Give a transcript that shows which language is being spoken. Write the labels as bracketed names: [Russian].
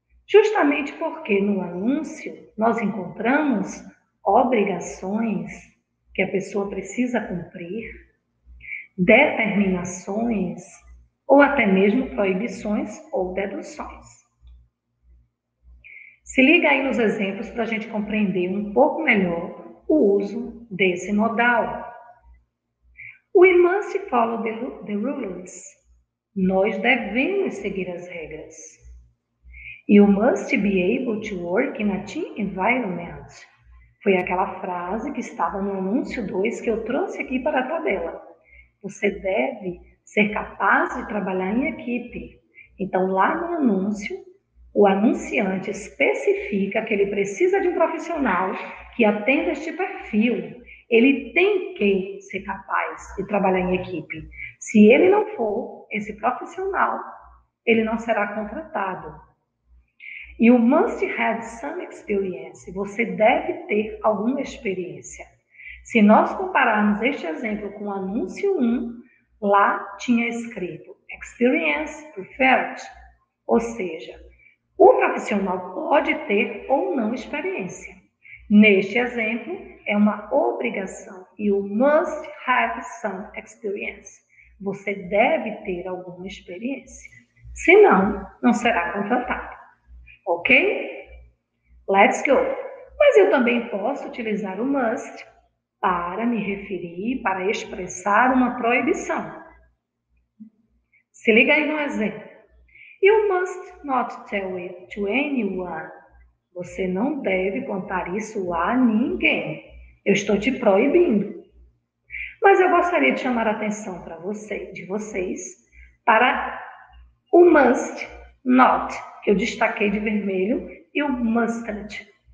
[Portuguese] Justamente porque no anúncio nós encontramos obrigações que a pessoa precisa cumprir, determinações ou até mesmo proibições ou deduções. Se liga aí nos exemplos para a gente compreender um pouco melhor o uso desse modal. [English] We must follow the rules. [Portuguese] Nós devemos seguir as regras. [English] You must be able to work in a team environment. [Portuguese] Foi aquela frase que estava no anúncio 2 que eu trouxe aqui para a tabela. Você deve ser capaz de trabalhar em equipe. Então, lá no anúncio, o anunciante especifica que ele precisa de um profissional que atenda este perfil. Ele tem que ser capaz de trabalhar em equipe. Se ele não for esse profissional, ele não será contratado. [English] E o must have some experience. [Portuguese] Você deve ter alguma experiência. Se nós compararmos este exemplo com o anúncio 1, lá tinha escrito [English] experience preferred. [Portuguese] Ou seja, o profissional pode ter ou não experiência. Neste exemplo, é uma obrigação. [English] E o must have some experience. [Portuguese] Você deve ter alguma experiência. Senão, não será contratado. Ok? [English] Let's go. [Portuguese] Mas eu também posso utilizar o must para me referir, para expressar uma proibição. Se liga aí no exemplo. [English] You must not tell it to anyone. [Portuguese] Você não deve contar isso a ninguém. Eu estou te proibindo. Mas eu gostaria de chamar a atenção para você, de vocês para o must not, que eu destaquei de vermelho, e o mustn't.